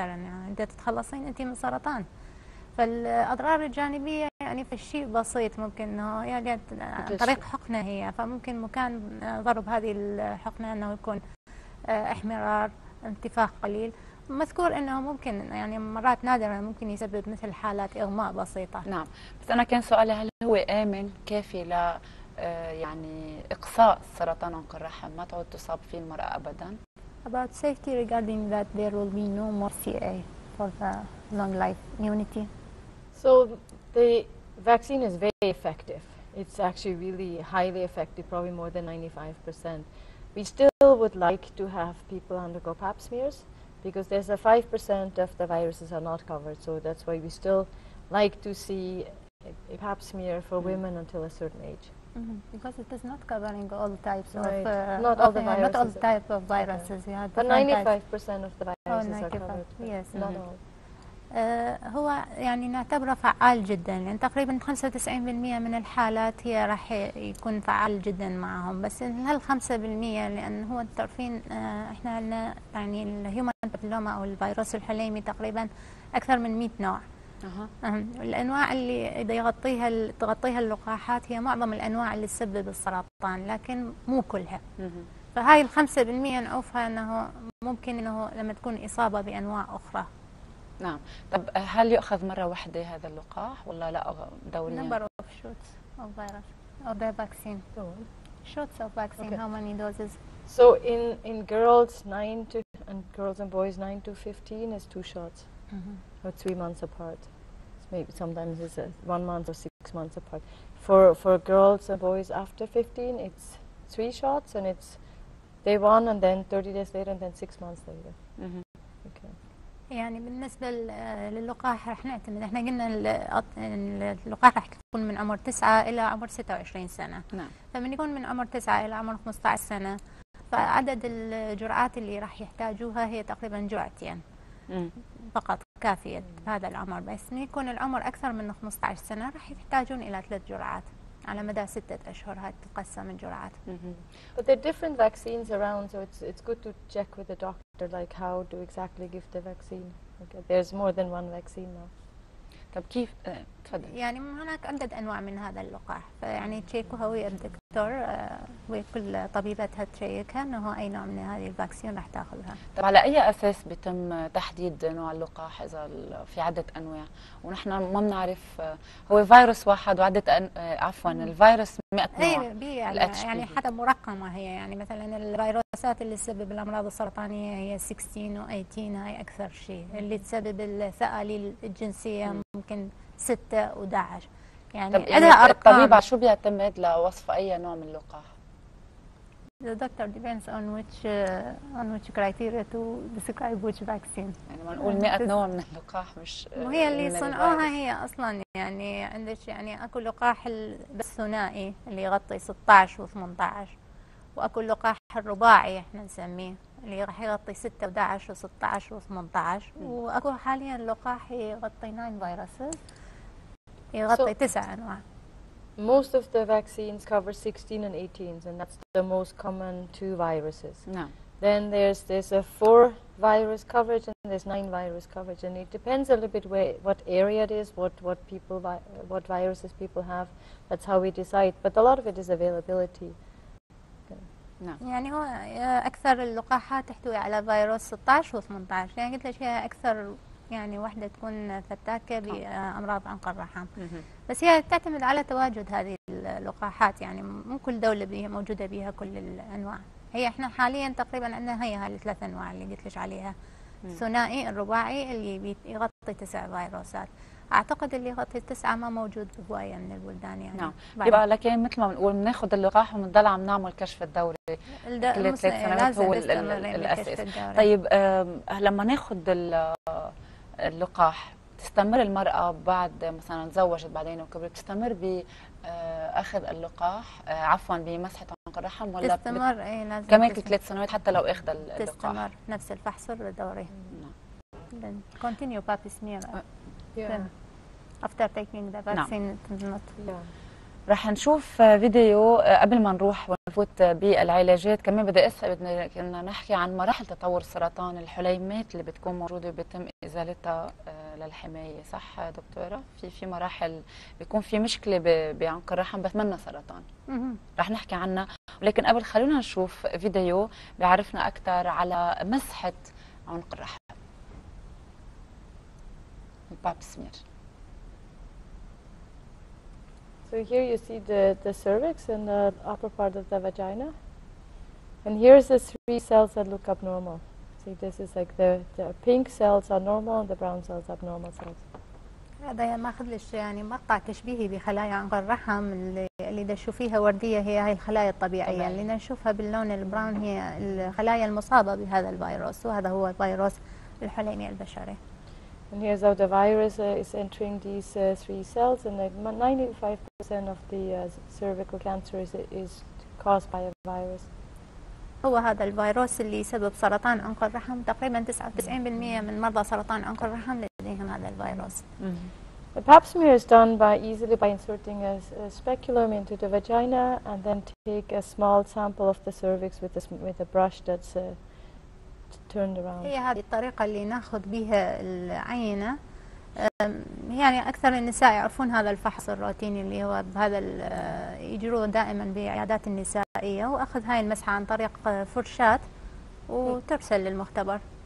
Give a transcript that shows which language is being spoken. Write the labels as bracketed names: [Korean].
[Arabic] يعني أنت تتخلصين أنت من سرطان، فالأضرار الجانبية يعني في الشيء بسيط، ممكن أنه يعني طريق حقنة هي، فممكن مكان ضرب هذه الحقنة أنه يكون احمرار، انتفاخ قليل. مذكور انه ممكن يعني مرات نادره ممكن يسبب مثل حالات اغماء بسيطه. نعم، بس انا كان سؤالي هل هو امن كافي ل يعني اقصاء سرطان عنق الرحم، ما تعود تصاب فيه المراه ابدا؟ [English] About safety regarding that there will be no more CA for the long life immunity. So the vaccine is very effective. It's actually really highly effective, probably more than 95%. We still would like to have people undergo pap smears. Because there's a 5% of the viruses are not covered, so that's why we still like to see a pap smear for women until a certain age. Because it is not covering all types of not all the viruses. Not all type of viruses. Yeah. But 95% of the viruses are covered. Yes. Not all. [Arabic] هو يعني نعتبره فعال جدا، لان يعني تقريبا 95% من الحالات هي راح يكون فعال جدا معهم، بس هال 5%، لان هو تعرفين احنا عندنا يعني الهيومن بابلوما او الفيروس الحليمي تقريبا اكثر من 100 نوع. الانواع اللي اذا تغطيها اللقاحات هي معظم الانواع اللي تسبب السرطان، لكن مو كلها. فهاي ال 5% نعوفها انه ممكن انه لما تكون اصابه بانواع اخرى. نعم، طب هل يؤخذ مرة واحدة هذا اللقاح ولا لا دوريا؟ [English] Number of shots of virus or the vaccine. Shots of vaccine, okay. How many doses? So in girls 9 to and girls and boys 9 to 15 is 2 shots. Or 3 months apart. It's maybe sometimes it's 1 month or 6 months apart. For girls and boys after 15 it's 3 shots, and it's day 1 and then 30 days later and then 6 months later. [Arabic] يعني بالنسبة للقاح رح نعتمد، احنا قلنا اللقاح رح تكون من عمر 9 إلى عمر 26 سنة. نعم. فمن يكون من عمر 9 إلى عمر 15 سنة فعدد الجرعات اللي راح يحتاجوها هي تقريبا جرعتين فقط كافية هذا العمر، بس يكون العمر أكثر من 15 سنة راح يحتاجون إلى 3 جرعات على مدى 6 أشهر، هاي تتقسم الجرعات. [English] But there are different vaccines around, so it's good to check with the doctor like how to exactly give the vaccine. Okay. There's more than one vaccine now. [Arabic] طب كيف تفضل؟ يعني هناك عدد أنواع من هذا اللقاح، فيعني تشيكوها ويا الدكتور وكل طبيبتها تشيكها أنه أي نوع من هذه الفاكسين راح تاخذها. طب على أي أساس بيتم تحديد نوع اللقاح إذا في عدة أنواع؟ ونحن ما بنعرف هو فيروس واحد وعدة عفوا الفيروس 100 نوع. أي يعني حتى مرقمة هي، يعني مثلا الفيروسات اللي تسبب الأمراض السرطانية هي 16 و 18 هاي أكثر شيء، اللي تسبب الثقاليل الجنسية ممكن 6 و11. يعني طب الطبيب شو بيعتمد لوصف اي نوع من اللقاح؟ [English] The doctor depends on which criteria to describe which vaccine. [Arabic] يعني ما نقول 100 نوع من اللقاح مش وهي اللي صنعوها هي اصلا، يعني عندك يعني اكو لقاح الثنائي اللي يغطي 16 و18 واكو لقاح الرباعي احنا نسميه اللي راح يغطي 6 و11 و16 و18 واكو حاليا لقاح يغطي 9 فيروسز يغطي 9 أنواع. [English] Most of the vaccines cover 16 and 18 and that's the most common 2 viruses. No. Then there's a 4 virus coverage and there's 9 virus coverage and it depends a little bit where, what area it is, what viruses people have. That's how we decide. But a lot of it is availability. [Arabic] يعني هو أكثر اللقاحات تحتوي على فيروس 16 و18، يعني قلت لك هي أكثر يعني وحدة تكون فتاكة بأمراض عنق الرحم. بس هي تعتمد على تواجد هذه اللقاحات، يعني مو كل دولة بيها موجودة بها كل الأنواع. هي احنا حاليا تقريبا عندنا هي هاي 3 أنواع اللي قلت لك عليها، الثنائي الرباعي اللي يغطي 9 فيروسات، اعتقد اللي يغطي 9 ما موجود بهوايه من البلدان. يعني نعم يبقى لكن مثل ما بنقول بناخذ اللقاح وبنضل عم نعمل كشف الدوري كل 3 سنوات هو الاساس. طيب لما ناخذ اللقاح تستمر المراه بعد مثلا تزوجت بعدين وكبرت تستمر باخذ اللقاح عفوا بمسحه عنق الرحم ولا تستمر؟ اي لازم كمان 3 سنوات حتى لو اخذ اللقاح تستمر نفس الفحص الدوري. [English] Continue baby Samir after taking the vaccine. [Arabic] رح نشوف فيديو قبل ما نروح ونفوت بالعلاجات. كمان بدي اسال بدنا كنا نحكي عن مراحل تطور سرطان الحليمات اللي بتكون موجوده وبيتم ازالتها للحمايه، صح دكتوره؟ في مراحل بيكون في مشكله بعنق الرحم بس منها سرطان. رح نحكي عنها، ولكن قبل خلونا نشوف فيديو بيعرفنا اكثر على مسحه عنق الرحم. [English] So here you see the cervix and the upper part of the vagina. And here's the 3 cells that look abnormal. See, this is like the pink cells are normal and the brown cells are abnormal cells. [Arabic] هذا ماخذ لك يعني مقطع تشبيهي بخلايا عنق الرحم اللي اذا تشوفيها ورديه هي هاي الخلايا الطبيعيه، اللي نشوفها باللون البراون هي الخلايا المصابه بهذا الفيروس، وهذا هو فيروس الحليمي البشري. [English] And here's how the virus is entering these 3 cells, and 95% of the cervical cancer is caused by a virus. [Arabic] هو هذا الفيروس اللي سبب سرطان عنق الرحم، تقريبا 99% من مرضى سرطان عنق الرحم لديهم هذا الفيروس. [English] The pap smear is done by easily by inserting a speculum into the vagina and then take a small sample of the cervix with a brush that's [Arabic] هي هذه الطريقة اللي ناخذ بها العينة. يعني أكثر النساء يعرفون هذا الفحص الروتيني اللي هو بهذا يجروه دائما بعيادات النسائية، وأخذ هاي المسحة عن طريق فرشاة وترسل للمختبر.